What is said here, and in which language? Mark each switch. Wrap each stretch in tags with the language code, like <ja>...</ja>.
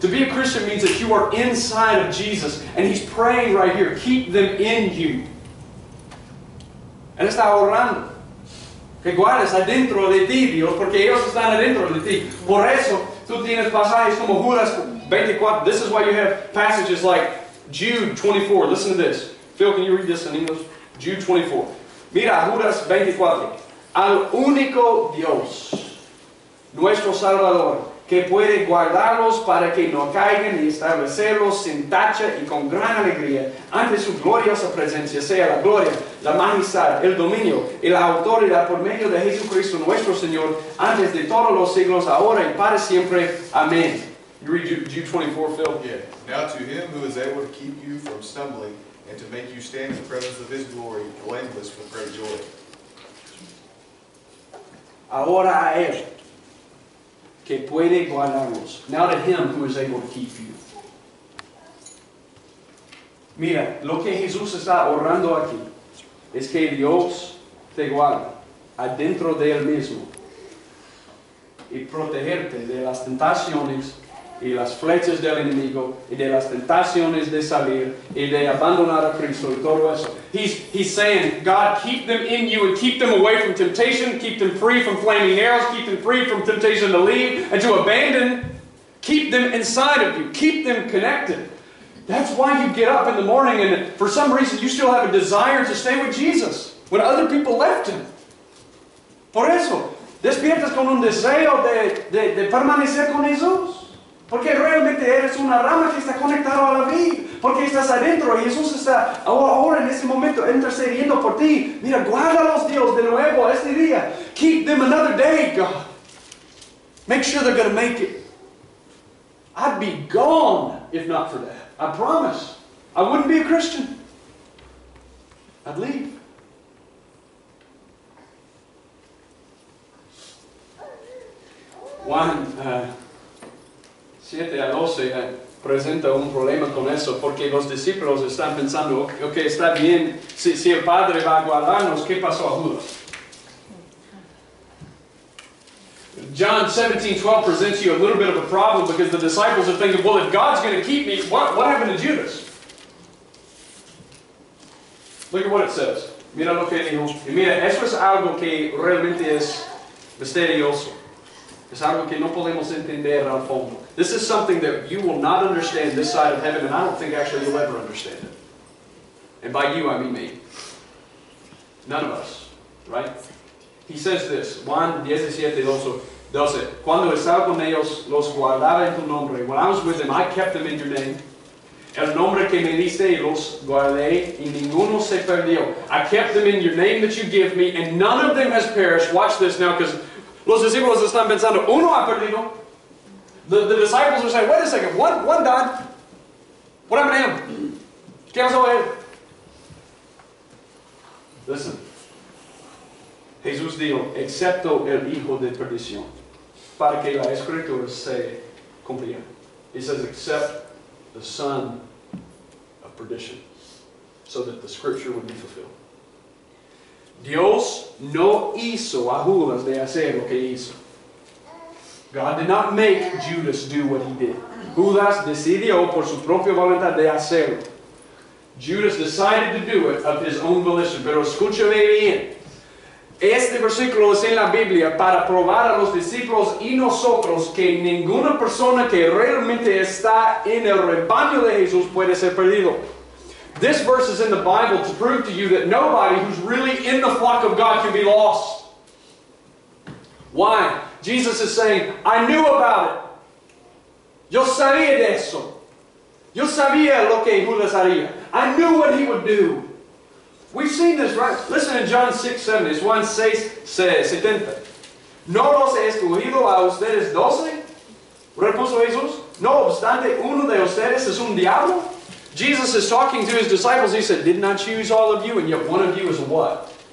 <en>To be a Christian means that you are inside of Jesus. And he's praying right here, keep them in you.</en> <es>Él está orando. Que guardes adentro de ti, Dios, porque ellos están adentro de ti. Por eso, tú tienes pasajes como Judas 24.</es> <en>This is why you have passages like Jude 24. Listen to this. Phil, can you read this in English? Jude 24.</en> <es>Mira, Judas 24. Al único Dios, nuestro Salvador, que puede guardarlos para que no caigan y establecerlos sin tacha y con gran alegría ante su gloriosa presencia, sea la gloria, la majestad, el dominio y la autoridad por medio de Jesucristo nuestro Señor, antes de todos los siglos, ahora y para siempre.</es> <en>Amén. You read Jude 24, Phil? Yeah. Now to him who is able to keep you from stumbling and to make you stand in the presence of his glory, blameless with great joy.</en> <es>Ahora a él. que puede guardarlos,</es> <en>now to him who is able to keep you.</en> <es>Mira, lo que Jesús está orando aquí es que Dios te guarde adentro de él mismo y protegerte de las tentaciones y las flechas del enemigo y de las tentaciones de salir y de abandonar a Cristo y todo eso.</es> <en>He's saying, God, keep them in you and keep them away from temptation, keep them free from flaming arrows, keep them free from temptation to leave and to abandon. Keep them inside of you. Keep them connected. That's why you get up in the morning and for some reason you still have a desire to stay with Jesus when other people left him.</en> <es>Por eso, despiertas con un deseo de permanecer con Jesús. Porque realmente eres una rama que está conectada a la vid. Porque estás adentro y Jesús está ahora en ese momento intercediendo por ti. Mira, guárdalos, Dios, de nuevo este día.</es> <en>Keep them another day, God. Make sure they're going to make it. I'd be gone if not for that. I promise. I wouldn't be a Christian. I'd leave.</en> <es>Juan 7 a 12 presenta un problema con eso, porque los discípulos están pensando, ok, está bien, si el Padre va a guardarnos, ¿qué pasó a Judas?</es> <en>John 17, 12 presents you a little bit of a problem because the disciples are thinking, well, if God's going to keep me, what happened to Judas? Look at what it says.</en> <es>Mira lo que dijo. Y mira, eso es algo que realmente es misterioso. Es algo que no podemos entender al fondo.</es> <en>This is something that you will not understand this side of heaven, and I don't think actually you'll ever understand it. And by you, I mean me. None of us, right? He says this, Juan 17, 12.</en> <es>Cuando estaba con ellos, los guardaba en tu nombre.</es> <en>When I was with them, I kept them in your name.</en> <es>El nombre que me diste, los guardé, y ninguno se perdió.</es> <en>I kept them in your name that you give me, and none of them has perished. Watch this now, because</en> <es>los discípulos están pensando, uno ha perdido.</es> <en>The disciples are saying, wait a second, one died. What happened to him?</en> <es>¿Qué pasó a él?</es> <en>Listen.</en> <es>Jesús dijo, excepto el hijo de perdición, para que la escritura se cumpliera.</es> <en>He says, except the son of perdition, so that the scripture would be fulfilled.</en> <es>Dios no hizo a Judas de hacer lo que hizo.</es> <en>God did not make Judas do what he did.</en> <es>Judas decidió por su propia voluntad de hacerlo.</es> <en>Judas decided to do it of his own volition.</en> <es>Pero escúchame bien. Este versículo es en la Biblia para probar a los discípulos y nosotros que ninguna persona que realmente está en el rebaño de Jesús puede ser perdido.</es> <en>This verse is in the Bible to prove to you that nobody who's really in the flock of God can be lost. Why? Jesus is saying, I knew about it.</en> <es>Yo sabía de eso. Yo sabía lo que Judas haría.</es> <en>I knew what he would do. We've seen this, right? Listen in John 6, 7. It's Juan 6, 70.</en> <es>No los he escogido a ustedes 12, repuso Jesús. No obstante, uno de ustedes es un diablo.</es> <en>Jesus is talking to his disciples. He said, didn't I choose all of you? And yet one of you is a what?</en>